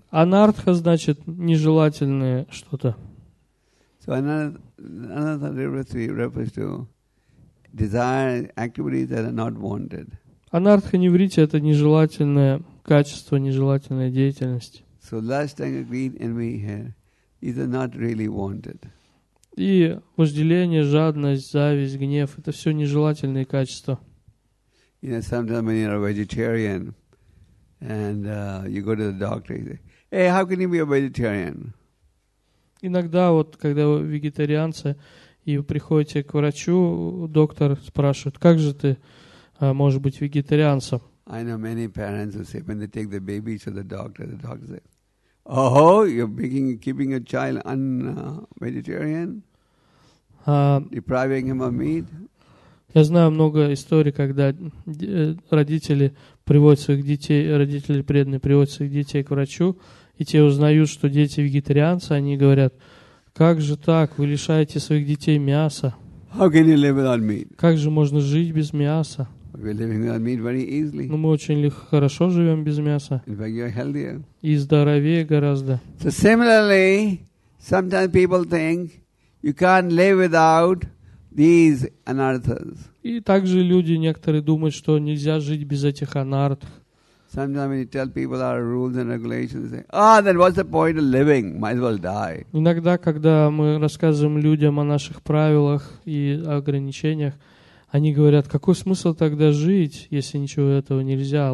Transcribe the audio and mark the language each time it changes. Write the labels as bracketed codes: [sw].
[ru] Анартха значит нежелательное что-то. [en] So anartha nivritti refers to desire activities that are not wanted. [ru] Анартха нивритти это нежелательное качество, нежелательная деятельность. [en] So lust, anger, greed, envy here is not really wanted. [ru] И вожделение, жадность, зависть, гнев — это все нежелательные качества. [en] You know, sometimes when you're a vegetarian and you go to the doctor, you say, "Hey, how can you be a vegetarian?" [ru] Иногда вот, когда вы вегетарианцы и вы приходите к врачу, доктор спрашивает, как же ты можешь быть вегетарианцем? [en] I know many parents who say when they take the baby to the doctor says, "Oh, you're making, keeping a child un-vegetarian, depriving him of meat." [ru] Я знаю много историй, когда родители приводят своих детей, родители преданные приводят своих детей к врачу, и те узнают, что дети вегетарианцы, они говорят: "Как же так? Вы лишаете своих детей мяса? [en] How can you live without meat? [ru] Как же можно жить без мяса? [en] We're living without meat very easily. [ru] Но мы очень хорошо живем без мяса. [en] In fact, you're healthier. [ru] И здоровее гораздо. [en] So similarly, sometimes people think you can't live without these anarthas. [ru] И также люди некоторые думают, что нельзя жить без этих анартх. [en] Sometimes when you tell people our rules and regulations, they say, "Ah, then what's the point of living? Might as well die." [ru] Иногда, когда мы рассказываем людям о наших правилах и ограничениях, они говорят, какой смысл тогда жить, если ничего этого нельзя?